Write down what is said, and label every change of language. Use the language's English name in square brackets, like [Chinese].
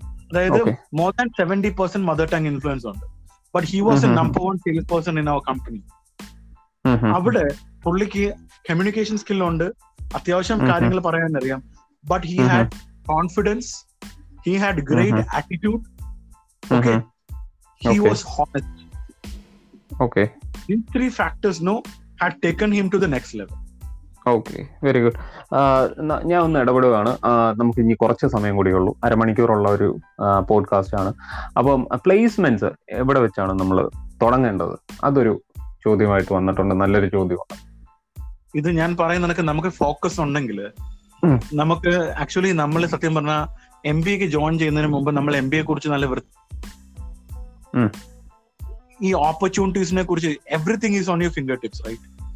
[English] അതായത് more than 70% mother tongue influence ഉണ്ട്. But he was a number one sales person in our company. [Malayalam] അവിടെ പുള്ളിക്ക് communication skill ഉണ്ട്, അത്യാവശ്യം കാര്യങ്ങൾ പറയാനറിയാം. [English] But he had confidence, he had great attitude. Okay. He was honest. Okay. These three factors, no, had taken him to the next level. Okay, very good. [Malayalam] ഞാൻ ഒന്ന് ഇടപെടുകയാണ്, നമുക്ക് ഇനി കുറച്ച് സമയം കൂടി ഉള്ളൂ, അരമണിക്കൂറുള്ള ഒരു പോഡ്കാസ്റ്റ് ആണ്. അപ്പം പ്ലേസ്മെന്റ്സ് എവിടെ വെച്ചാണ് നമ്മൾ തുടങ്ങേണ്ടത്, അതൊരു ചോദ്യമായിട്ട് വന്നിട്ടുണ്ട്. നല്ലൊരു ചോദ്യമാണ് ഇത്. ഞാൻ പറയുന്ന നമുക്ക് ഫോക്കസ് ഉണ്ടെങ്കിൽ നമുക്ക് ആക്ച്വലി നമ്മൾ സത്യം പറഞ്ഞ എം ബി എക്ക് ജോയിൻ ചെയ്യുന്നതിന് മുമ്പ് നമ്മൾ എം ബി എ കുറിച്ച് നല്ല ഈ ഓപ്പർച്യൂണിറ്റീസിനെ കുറിച്ച് [English] Everything is on your finger tips right.